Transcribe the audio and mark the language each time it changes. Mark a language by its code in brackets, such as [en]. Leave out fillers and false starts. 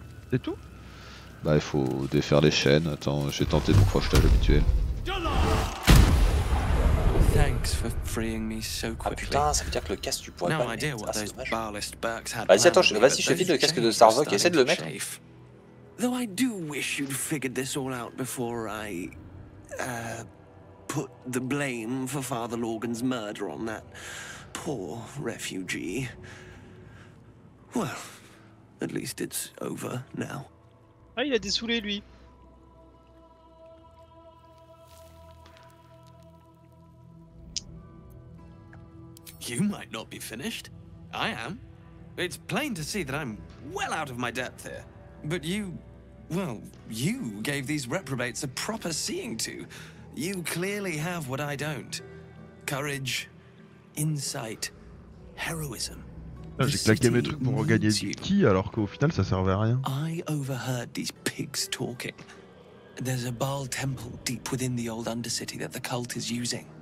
[fr] C'est tout? Bah, il faut défaire les chaînes. Attends, j'ai tenté mon crochetage habituel. [en] Thanks for freeing me so quickly. [fr] Ah putain, ça veut dire que le casque, tu pourrais pas le mettre. Ah, c'est dommage. Vas-y, je vide le casque de Sarvok et essaie de le mettre. [en] Though I do wish you'd figured this all out before I put the blame for Father Logan's murder on that poor refugee. Well, at least it's over now. [fr] Ah, il a dessoulé lui. [en] You might not be finished. I am. It's plain to see that I'm well out of my depth here. But you, well, you gave these reprobates a proper seeing to. You clearly have what I don't. Courage, insight, heroism. [fr] Ah, j'ai claqué mes trucs pour regagner du ki alors qu'au final ça servait à rien. [en] I overheard these pigs talking. There's a Baal temple deep within the old undercity that the cult is using.